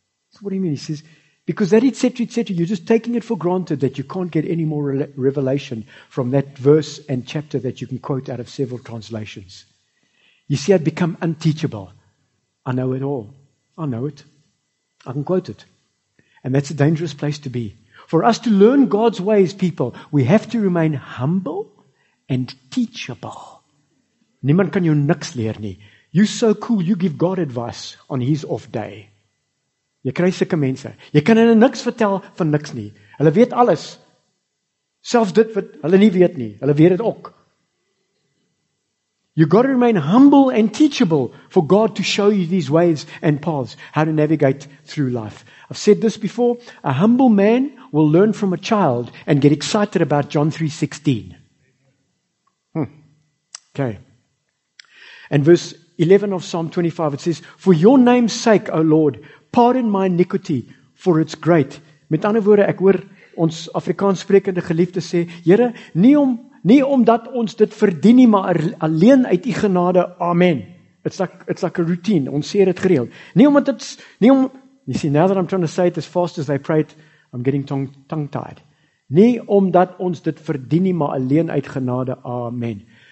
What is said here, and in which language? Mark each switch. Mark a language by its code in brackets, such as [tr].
[en] So what do you mean? He says, because that et cetera, you're just taking it for granted that you can't get any more revelation from that verse and chapter that you can quote out of several translations. You see, I'd become unteachable. I know it all. I know it. I can quote it. And that's a dangerous place to be. For us to learn God's ways, people, we have to remain humble and teachable. [af] Niemand kan jou niks leer nie. [en] You're so cool, you give God advice on his off day. [af] Jy kry sulke mense. Jy kan hulle niks vertel van niks nie. Hulle weet alles. Selfs dit wat hulle nie weet nie. Hulle weet dit ook. [en] You've got to remain humble and teachable for God to show you these ways and paths, how to navigate through life. I've said this before, a humble man will learn from a child and get excited about John 3:16. Okay. And verse 11 of Psalm 25, it says, for your name's sake, O Lord, pardon my iniquity, for it's great. [af] Met ander woorde, ek hoor ons Afrikaans sprekende geliefde sê, Here, nie omdat ons dit verdien nie, maar alleen uit die genade, amen. [en] It's like a routine, [af] ons sê dit gereeld. [en] You see, now that I'm trying to say it as fast as I pray it, I'm getting tongue-tied. [af] Nie omdat ons dit verdien nie, maar alleen uit genade, amen.